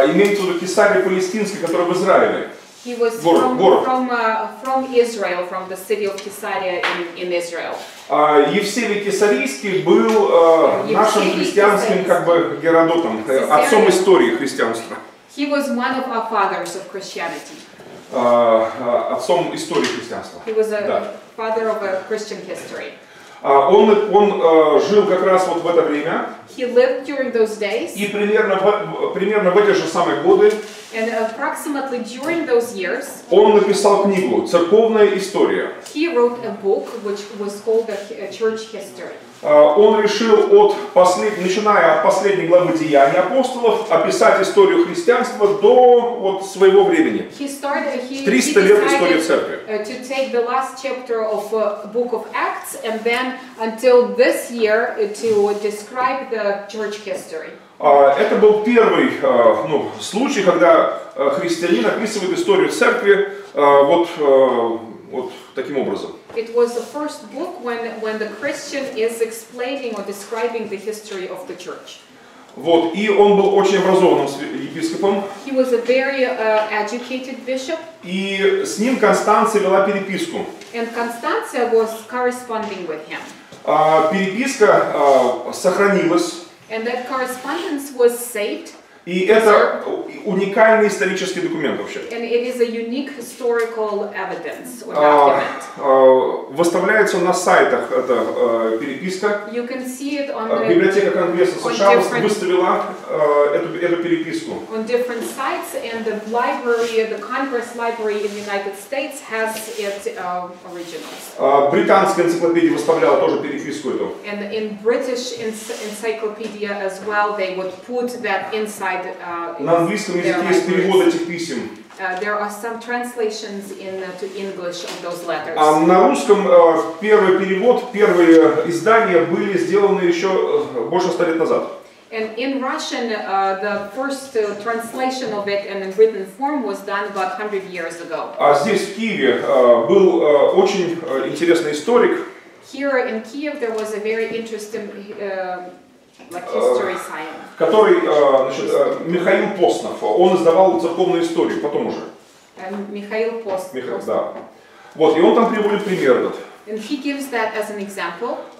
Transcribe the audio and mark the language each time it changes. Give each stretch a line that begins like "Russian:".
Russian: Имеется в виду Кесарий Палестинский, который в Израиле.
English: He was from Israel, from the city of Caesarea in Israel.
Russian: Евсевий Кесарийский был нашим христианским как бы Геродотом, отцом истории христианства.
English: He was one of our fathers of Christianity.
Russian: Отцом истории христианства.
English: He was a father of a Christian history.
Russian: Он жил как раз вот в это время.
English: He lived during those days.
Russian: И примерно в эти же самые годы.
English: And approximately during those years.
Russian: Он написал книгу «Церковная история».
English: He wrote a book which was called a Church History.
Russian: Он решил начиная от последней главы Деяний апостолов, описать историю христианства до вот своего времени. 300 лет истории церкви.
English: To take the last chapter of Book of Acts and then until this year to describe the church history.
Russian: Это был первый случай, когда христианин описывает историю церкви вот таким образом.
English: It was the first book when the Christian is explaining or describing the history of the church.
Russian: Вот, и он был очень образованным епископом.
English: He was a very educated bishop.
Russian: И с ним Констанция вела переписку.
English: And Constanze was corresponding with him.
Russian: Переписка сохранилась.
English: And that correspondence was saved.
Russian: И это уникальный исторический документ вообще.
English: And it is a unique historical evidence or document.
Russian: Выставляется на сайтах эта переписка.
English: You can see it on
Russian: Библиотека Конгресса США выставила эту переписку.
English: On different sites and the library, the Congress Library in the United States has its originals.
Russian: Британская энциклопедия выставляла тоже переписку эту.
English: And in British encyclopedia as well, they would put that inside.
Russian: На английском языке есть перевод этих писем.
English: There are some translations to English of those letters.
Russian: А на русском первый перевод, первые издания были сделаны еще больше 100 лет назад.
English: And in Russian, the first translation of it and in written form was done about 100 years ago.
Russian: А здесь в Киеве был очень интересный историк.
English: Here in Kiev there was a very interesting like
Russian: который, Михаил Постнов, он издавал церковную историю, потом уже. Михаил Постнов. Да. Вот, и он там приводит пример этот.
English: And he gives that as an example.